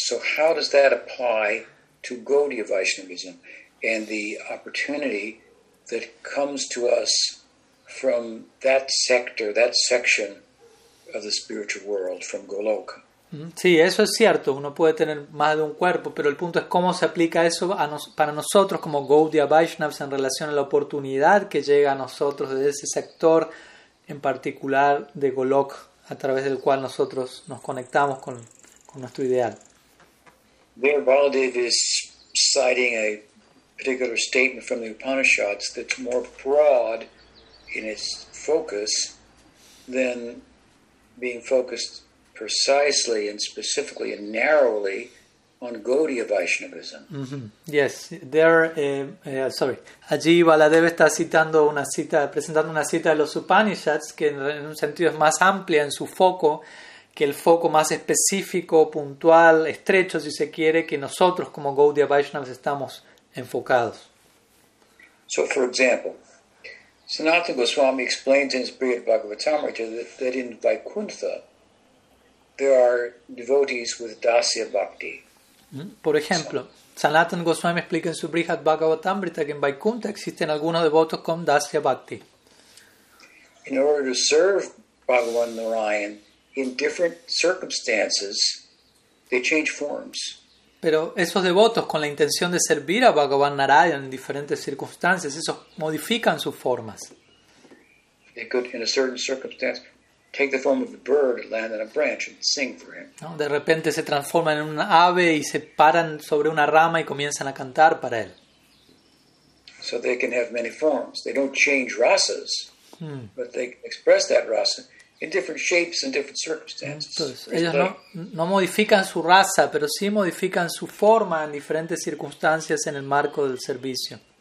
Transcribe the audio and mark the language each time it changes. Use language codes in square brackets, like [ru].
[en] So how does that apply to Gaudiya Vaishnavism and the opportunity that comes to us from that sector, that section of the spiritual world, from Goloka? [es] Sí, eso es cierto, uno puede tener más de un cuerpo, pero el punto es cómo se aplica eso para nosotros como Gaudiya Vaishnavas en relación a la oportunidad que llega a nosotros desde ese sector en particular de Golok, a través del cual nosotros nos conectamos con nuestro ideal. [en] There Baladev is citing a particular statement from the Upanishads that's more broad in its focus than being focused precisely and specifically and narrowly on Gaudiya Vaishnavism. Yes, there. [es] Sorry, allí Baladev está citando una cita, presentando una cita de los Upanishads que en un sentido es más amplia en su foco que el foco más específico, puntual, estrecho, si se quiere, que nosotros como Gaudiya Vaishnavas estamos enfocados. [en] So, for example, Sanatana Goswami explains in his Brihad Bhagavatamrita that in Vaikuntha there are devotees with Dasya Bhakti. [es] Por ejemplo, Sanatana Goswami explica en su Brihad Bhagavatamrita que en Vaikuntha existen algunos devotos con Dasya Bhakti. [en] In order to serve Bhagavan Narayan in different circumstances, they change forms. [es] Pero esos devotos con la intención de servir a Bhagavan Narayan en diferentes circunstancias, esos modifican sus formas. [en] They could, in a certain circumstance, take the form of a bird, land on a branch, and sing for him. [es] ¿No? De repente se transforman en un ave y se paran sobre una rama y comienzan a cantar para él. [en] So they can have many forms. They don't change rasas, but they can express that rasa in different shapes and different circumstances. [es] Entonces, ellos no modifican su raza, pero sí modifican su forma en diferentes circunstancias en el marco del servicio.